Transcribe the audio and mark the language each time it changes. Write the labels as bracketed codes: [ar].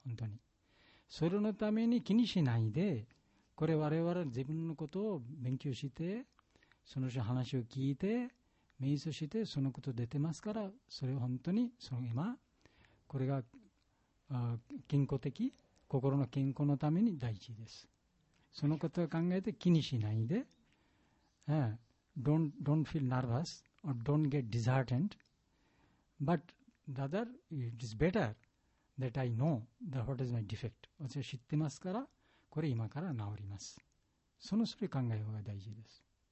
[ja] 本当にそれのために気にしないで、これ我々自分のことを勉強して、その人話を聞いて瞑想して、そのこと出てますから、それを本当にその今これが健康的、心の健康のために大事です。そのことを考えて気にしないで、 [en] Don't feel nervous or don't get disheartened, but rather it is betterThat I know that what is my defect. [ja] 私は知ってますから、これ今から治ります。それ考え方が大事です。